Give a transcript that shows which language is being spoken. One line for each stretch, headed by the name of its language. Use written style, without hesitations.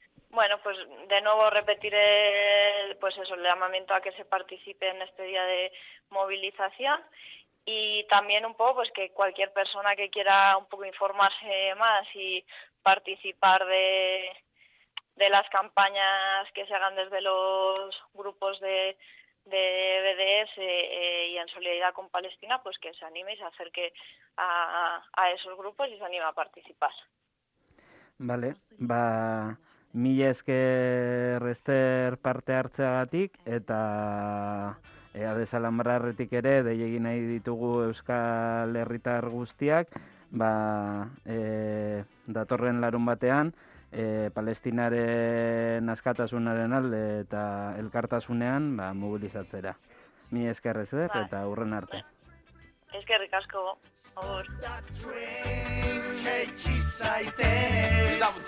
Spanish: Bueno, pues de nuevo repetiré pues eso, el llamamiento a que se participe en este día de movilización y también un poco pues que cualquier persona que quiera un poco informarse más y participar de las campañas que se hagan desde los grupos de BDS y en solidaridad con Palestina, pues que se anime y se acerque a esos grupos y se anime a participar. Vale, va.
Basque: Mila esker Ester parte hartzeagatik eta ea desalambrarretik ere dei egin nahi ditugu euskal herritar guztiak datorren larun batean Palestinaren askatasunaren alde eta elkartasunean mobilizatzera. Mila esker Ester eta hurren arte.
English: Stop that train, Haiti Saites.